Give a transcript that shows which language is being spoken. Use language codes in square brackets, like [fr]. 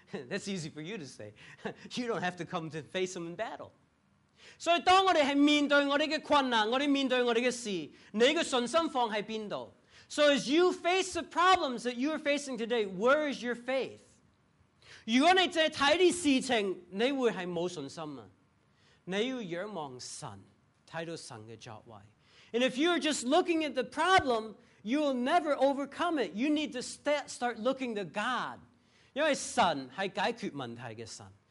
[en] That's easy for you to say. You don't have to come to face him in battle. [zh] So, 当我们面对我们的困难,我们面对我们的事,你的信心放在哪里? [en] So, as you face the problems that you are facing today, where is your faith? [zh] 如果你在看这些事情,你会是没有信心的。你要仰望神,看到神的作为。 [en] And if you are just looking at the problem, you will never overcome it. You need to start looking to God. [zh] 因为神是解决问题的神,